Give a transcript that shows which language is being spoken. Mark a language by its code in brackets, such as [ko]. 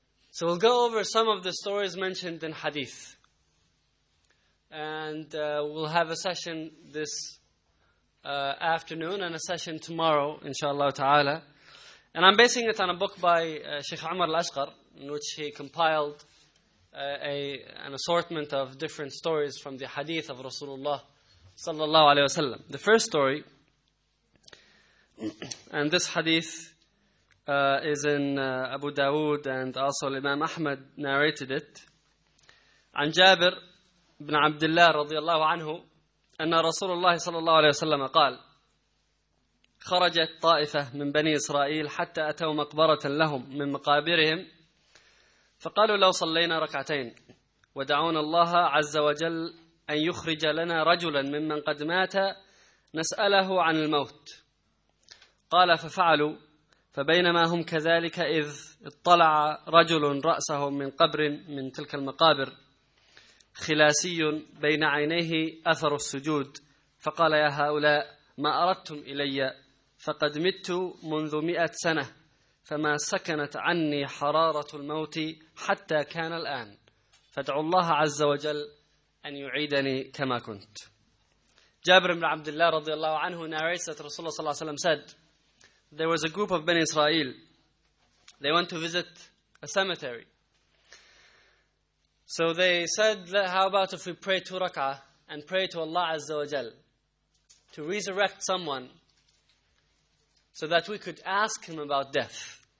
[en] So we'll go over some of the stories mentioned in hadith. And we'll have a session this afternoon and a session tomorrow, inshallah ta'ala. And I'm basing it on a book by Sheikh Omar Al-Ashqar, in which he compiled an assortment of different stories from the hadith of Rasulullah sallallahu alayhi wa sallam. The first story, and this hadith is in Abu Dawood, and also Imam Ahmad narrated it, [ar] عن جابر بن عبد الله رضي الله عنه أن رسول الله صلى الله عليه وسلم قال خرجت طائفة من بني إسرائيل حتى أتوا مقبرة لهم من مقابرهم فقالوا لو صلينا ركعتين ودعونا الله عز وجل أن يخرج لنا رجلا ممن قد مات نسأله عن الموت قال ففعلوا فبينما هم كذلك إذ اطلع رجل رأسه من قبر من تلك المقابر خلاسي بين عينيه أثر السجود فقال يا هؤلاء ما أردتم إلي فقد مت منذ 100 سنة فما سكنت عني حرارة الموت حتى كان الآن فادعوا الله عز وجل أن يعيدني كما كنت. [en] جابر بن عبد الله رضي الله عنه narrates that Rasulullah صلى الله عليه وسلم said there was a group of Bani Israel. They went to visit a cemetery. So they said, how about if we pray 2 rak'ah and pray to Allah Azza wa Jal to resurrect someone so that we could ask him about death.